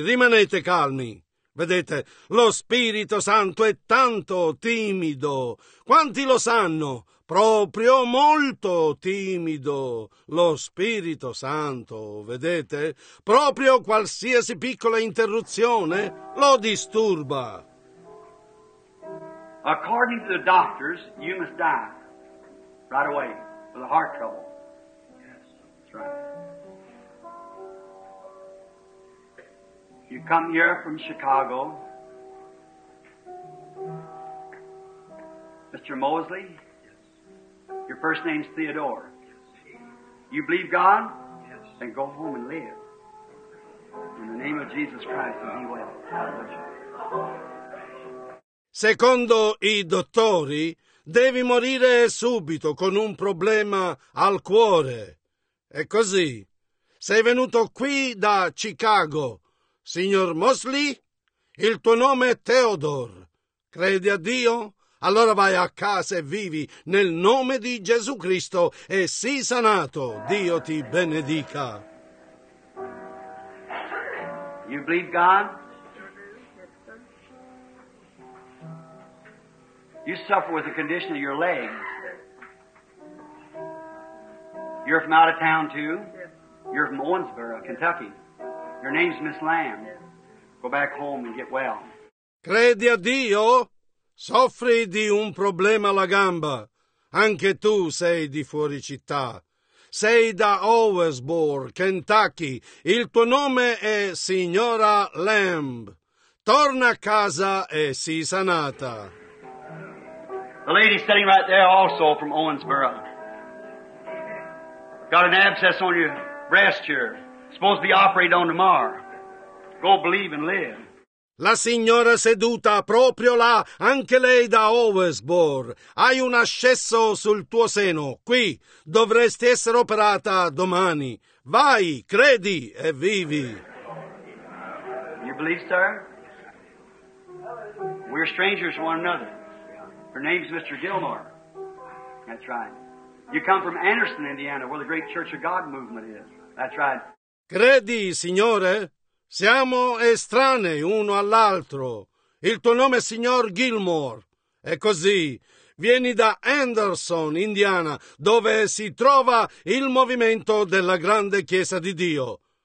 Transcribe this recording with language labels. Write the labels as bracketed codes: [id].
[it] Rimanete calmi. Vedete, lo Spirito Santo è tanto timido. Quanti lo sanno? Proprio molto timido. Lo Spirito Santo, vedete? Proprio qualsiasi piccola interruzione lo disturba. [en] According to the doctors, you must die right away. For the heart trouble. Yes, that's right. You come here from Chicago. Mr. Mosley? Yes. Your first name's Theodore? Yes. You believe God? Yes. Then go home and live. In the name of Jesus Christ, and be well. [it] Secondo i dottori, devi morire subito con un problema al cuore. È così. Sei venuto qui da Chicago. Signor Mosley, il tuo nome è Theodore. Credi a Dio? Allora vai a casa e vivi nel nome di Gesù Cristo e sii sanato. Dio ti benedica. [en] You believe God? You suffer with the condition of your legs. You're from out of town, too? Yes. You're from Owensboro, Kentucky. Your name's Miss Lamb. Yes. Go back home and get well. [it] Credi a Dio? Soffri di un problema alla gamba. Anche tu sei di fuori città. Sei da Owensboro, Kentucky. Il tuo nome è Signora Lamb. Torna a casa e sii sanata. [en] The lady sitting right there also from Owensboro. Got an abscess on your breast here. Supposed to be operated on tomorrow. Go believe and live. [it] La signora seduta proprio là, anche lei da Owensboro. Hai un ascesso sul tuo seno. Qui dovresti essere operata domani. Vai, credi e vivi. [en] You believe, sir? We're strangers to one another. Her name's Mr. Gilmore. That's right. You come from Anderson, Indiana, where the great Church of God movement is. That's right. [it] Credi, signore? Siamo estranei uno all'altro. Il tuo nome è signor Gilmore. È così. Vieni da Anderson, Indiana, dove si trova il movimento della grande Chiesa di Dio.